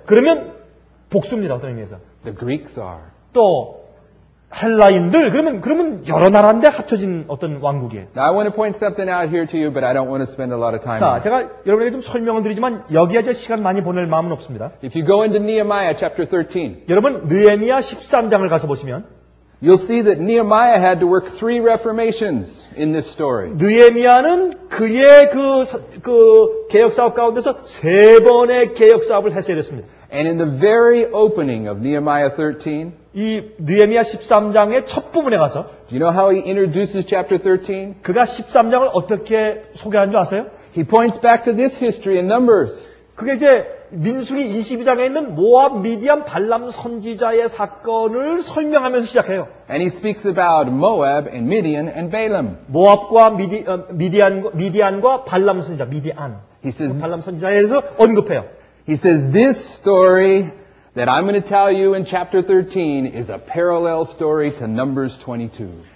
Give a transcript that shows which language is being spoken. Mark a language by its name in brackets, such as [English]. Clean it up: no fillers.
[Korean] 그러면 복수입니다, 어떤 의미에서. [English] The Greeks are. [Korean] 또 헬라인들. 그러면 여러 나라인데 합쳐진 어떤 왕국이에요. [English] Now I want to point something out here to you, but I don't want to spend a lot of time. [Korean] 자, 제가 여러분에게 좀 설명을 드리지만 여기에 제가 시간 많이 보낼 마음은 없습니다. [English] If you go into Nehemiah chapter 13. [Korean] 여러분 느헤미야 13장을 가서 보시면 [English] you'll see that Nehemiah had to work three reformations in this story. [Korean] 느헤미야는 그의 그 개혁 사업 가운데서 세 번의 개혁 사업을 했어야 됐습니다. [English] And in the very opening of Nehemiah 13, [Korean] 이 느헤미야 13장의 첫 부분에 가서 [English] Do you know how he introduces chapter 13? [Korean] 그가 13장을 어떻게 소개하는 줄 아세요? [English] He points back to this history in Numbers. [Korean] 그게 이제 민수기 22장에 있는 모압 미디안 발람 선지자의 사건을 설명하면서 시작해요. [English] And he speaks about Moab and Midian and Balaam. [Korean] 모압과 미디안과 발람 선지자 미디안. [English] He says [Korean] 발람 선지자에 대해서 언급해요. [English] He says this story that I'm going to tell you in chapter 13 is a parallel story to Numbers 22.